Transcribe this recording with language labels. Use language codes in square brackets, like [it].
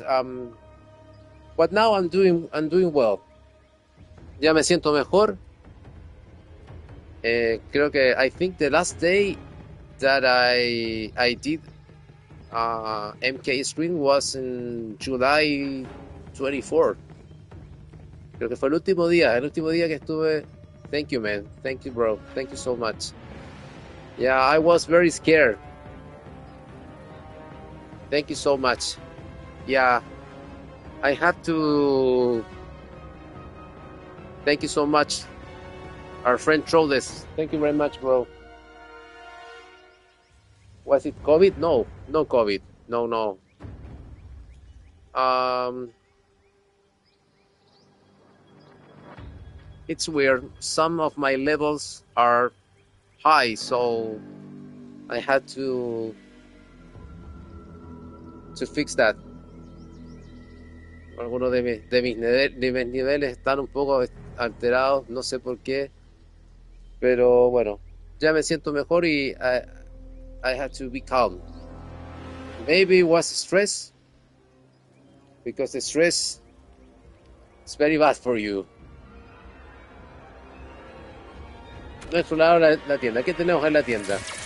[en] But now I'm doing well. [es] Ya me siento mejor. Creo que [en] I think the last day that I did MK stream was in July 24. [es] Creo que fue el último día que estuve. [en] Thank you, man. Thank you, bro. Thank you so much. Yeah, I was very scared. Thank you so much. Yeah, I have to. Thank you so much. Our friend told us. Thank you very much, bro. Was it COVID? No, no COVID. No, no. It's weird. Some of my levels are high, so I had to fix that. [es] Algunos de mis niveles están un poco alterados, no sé por qué, pero bueno, ya me siento mejor y [en] I had to be calm. Maybe it was stress, because the stress is very bad for you. [es] Nuestro lado la tienda. ¿Qué tenemos en la tienda?